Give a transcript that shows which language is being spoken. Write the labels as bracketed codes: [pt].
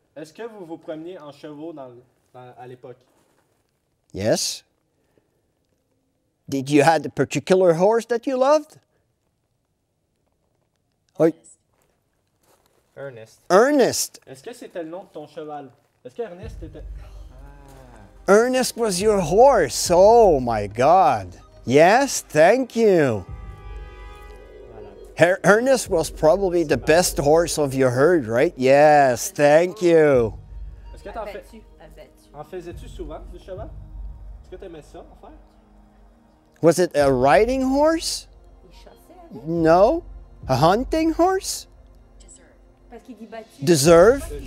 [fr] Est-ce que vous vous promeniez en chevaux à l'époque? [en] Yes. Did you have a particular horse that you loved? Ernest. [fr] Est-ce que c'était le nom de ton cheval? Est-ce que Ernest était... [en] Ah. Ernest was your horse. Oh, my God. Yes, thank you. Ernest was probably the best horse of your herd, right? Yes, thank you. [fr] Est-ce que en faisais-tu souvent du cheval? Est-ce que t'aimais ça en faire? [en] Was it a riding horse? No. A hunting horse? Deserve?